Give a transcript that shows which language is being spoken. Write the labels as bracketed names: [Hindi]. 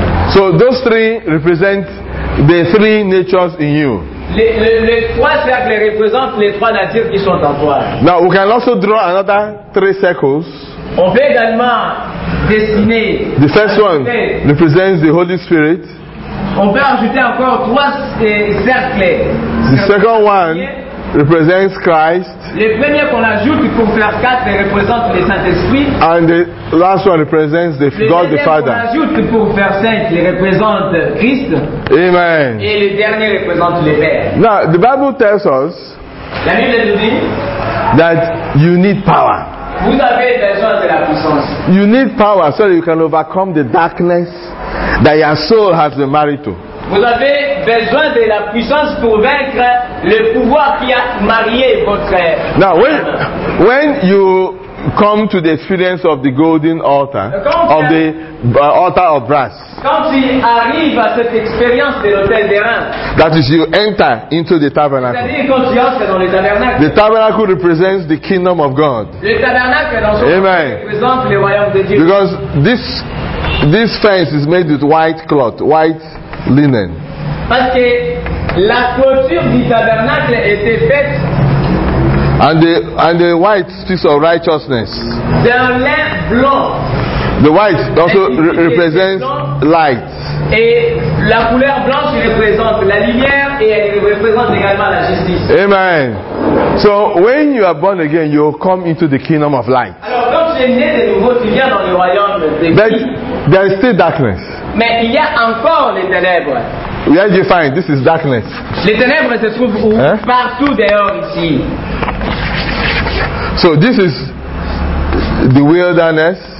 [English] So those three represent the three natures in you. [French] Les trois cercles représentent les trois natures qui sont en toi. [English] Now we can also draw another three circles. [French] On peut également dessiner. [English] The first one represents the Holy Spirit. [French] On peut ajouter encore trois cercles. [English] The second one represents Christ. [French] Le premier qu'on ajoute pour faire quatre représente le Saint-Esprit. [English] And the last one represents the God the Father. [French] Le dernier qu'on ajoute pour faire cinq représente Christ. [English] Amen. [French] Et le dernier représente le Père. [English] Now the Bible tells us, [French] la Bible nous dit, [English] that you need power. [French] Vous avez besoin de la puissance. [English] You need power so that you can overcome the darkness that your soul has been married to. [French] Vous avez besoin de la puissance pour vaincre le pouvoir qui a marié votre âme. [English] Now, when you come to the experience of the golden altar, of the altar of brass, [French] quand tu arrives à cette expérience de l'autel d'airain, [English] that is, you enter into the tabernacle. [French] C'est-à-dire quand tu entres dans le tabernacle. [English] The tabernacle represents the kingdom of God. [French] Le tabernacle dans son [English] amen [French] représente le royaume de Dieu. [English] Because this fence is made with white cloth, white linen. [French] Parce que la clôture du tabernacle était faite. [English] And the white piece of righteousness. The white also represents light. [French] Et la couleur blanche représente la lumière et elle représente également la justice. [English] Amen. So when you are born again, you come into the kingdom of light. [French] Alors quand tu es né de nouveau, tu viens dans le royaume de Dieu. [English] But there is still darkness. [French] Mais il y a encore les ténèbres. [English] Where do you find this is darkness? [French] Les ténèbres se trouvent où? Hein? Partout dehors ici. [English] So this is the wilderness.